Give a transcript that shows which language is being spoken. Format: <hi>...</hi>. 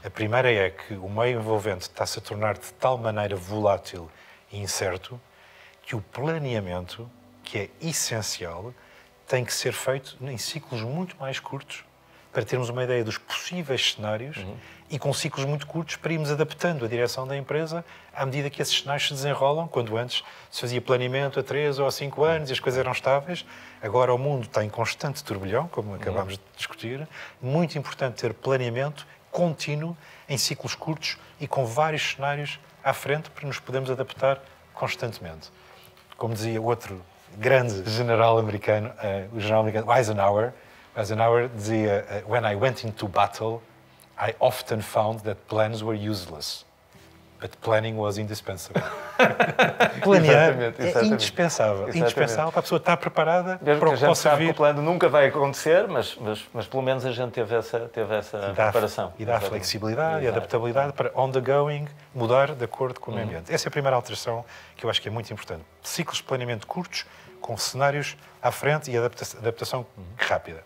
<pt>A primeira é que o meio envolvente está-se a tornar de tal maneira volátil e incerto que o planeamento, que é essencial, tem que ser feito em ciclos muito mais curtos para termos uma ideia dos possíveis cenários e com ciclos muito curtos para irmos adaptando a direção da empresa à medida que esses cenários se desenrolam, quando antes se fazia planeamento a 3 ou a 5 anos e as coisas eram estáveis. Agora o mundo está em constante turbilhão, como acabámos de discutir. Muito importante ter planeamento contínuo em ciclos curtos e com vários cenários à frente para nos podermos adaptar constantemente. Como dizia outro grande general americano, o general americano Eisenhower, Eisenhower dizia,</pt> <en>when I went into battle, I often found that plans were useless, but planning was indispensable.</en> <pt>Planear é indispensável. Exatamente. Indispensável para a pessoa estar preparada. Mesmo para que a gente possa sabe vir. Que o plano nunca vai acontecer, mas pelo menos a gente teve essa e dá, preparação. E dá flexibilidade, exato, e adaptabilidade para,</pt> <en>on the going,</en> <pt>mudar de acordo com o meio ambiente. Essa é a primeira alteração que eu acho que é muito importante. Ciclos de planeamento curtos, com cenários à frente e adaptação rápida.</pt>